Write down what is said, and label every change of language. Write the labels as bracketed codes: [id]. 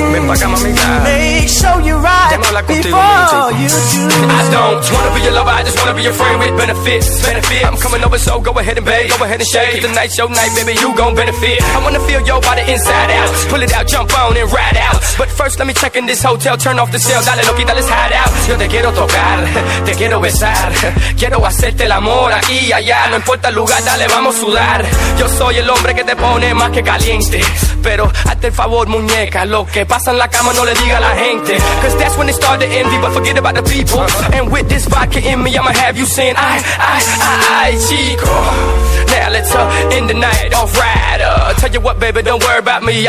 [en] Make sure you're right before you choose. I don't wanna be your lover, I just wanna be your friend with benefits, benefits. I'm coming over, so go ahead and bathe, go ahead and shave. Cause tonight's your night, baby, you gon' benefit. I wanna feel your body inside out. Pull it out, jump on and ride out. But first let me check in this hotel, turn off the cell. [es] Dale, loki, dale, [en] hide out. [es] Yo te quiero tocar, te quiero besar. Quiero hacerte el amor aquí y allá. No importa el lugar, dale, vamos a sudar. Yo soy el hombre que te pone más que caliente. Pero hazte el favor, muñeca, lo que pasa en la cama no le diga a la gente. [en] Cause that's when they start to envy, but forget about the people. And with this vodka in me, I'ma have you saying, I, chico. Now let's end the night off rider. Tell you what, baby, don't worry about me.